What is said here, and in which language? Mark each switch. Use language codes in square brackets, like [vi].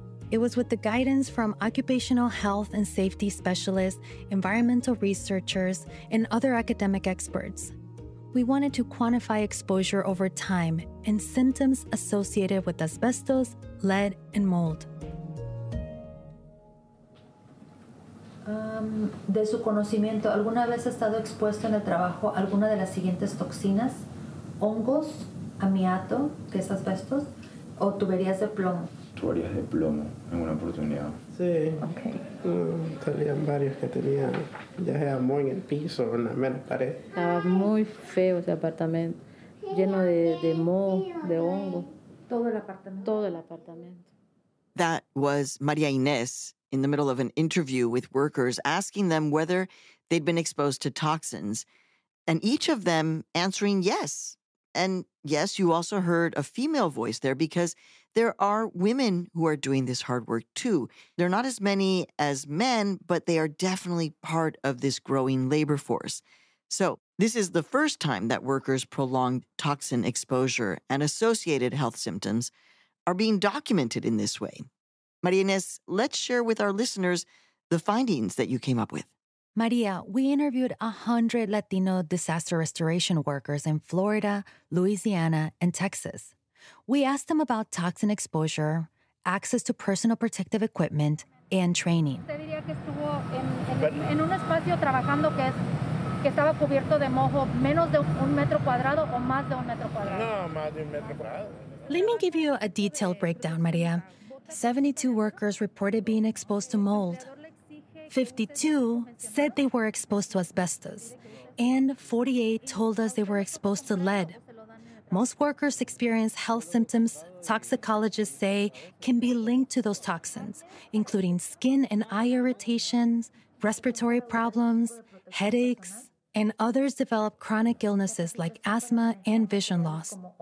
[en] It was with the guidance from occupational health and safety specialists, environmental researchers, and other academic experts. We wanted to quantify exposure over time and symptoms associated with asbestos, lead, and mold. [es] De su conocimiento, ¿alguna vez ha estado expuesto en el trabajo a alguna de las siguientes toxinas? Hongos, amiato, que es asbestos, o tuberías de plomo. Tuberías de plomo, en una oportunidad. Sí. Okay. Tenían varios que tenían ya sea moho en el piso o en la mera pared. Estaba muy feo ese apartamento, lleno de moho, de hongo. Todo el apartamento. Todo el apartamento. [en] That was María Inés in the middle of an interview with workers, asking them whether they'd been exposed to toxins, and each of them answering yes. And yes, you also heard a female voice there, because there are women who are doing this hard work too. They're not as many as men, but they are definitely part of this growing labor force. So this is the first time that workers' prolonged toxin exposure and associated health symptoms are being documented in this way. Maria Inés, let's share with our listeners the findings that you came up with. Maria, we interviewed 100 Latino disaster restoration workers in Florida, Louisiana, and Texas. We asked them about toxin exposure, access to personal protective equipment, and training. [es] ¿Usted diría que estuvo en un espacio trabajando que es que estaba cubierto de moho menos de un metro cuadrado o más de un metro cuadrado? No, más de un metro cuadrado. [en] Let me give you a detailed breakdown, Maria. 72 workers reported being exposed to mold. 52 said they were exposed to asbestos, and 48 told us they were exposed to lead. Most workers experience health symptoms toxicologists say can be linked to those toxins, including skin and eye irritations, respiratory problems, headaches, and others develop chronic illnesses like asthma and vision loss.